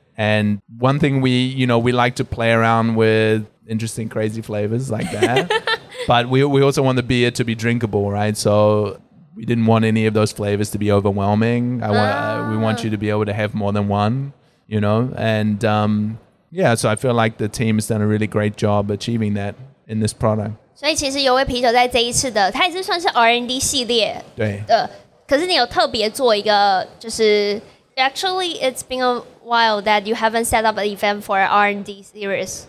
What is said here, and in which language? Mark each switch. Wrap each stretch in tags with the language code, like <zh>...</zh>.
<en>And one thing we, you know, we like to play around with interesting, crazy flavors like that. But we also want the beer to be drinkable, right? So we didn't want any of those flavors to be overwhelming. We want you to be able to have more than one. you know? And yeah, so I feel like the team has done a really great job achieving that in this product.</en> <zh>所以其实尤威啤酒在这一次的，它也是算是 R&D 系列对的，可是你有特别做一个，就是</zh> <en>actually it's been a while that you haven't set up an event for R&D series.</en>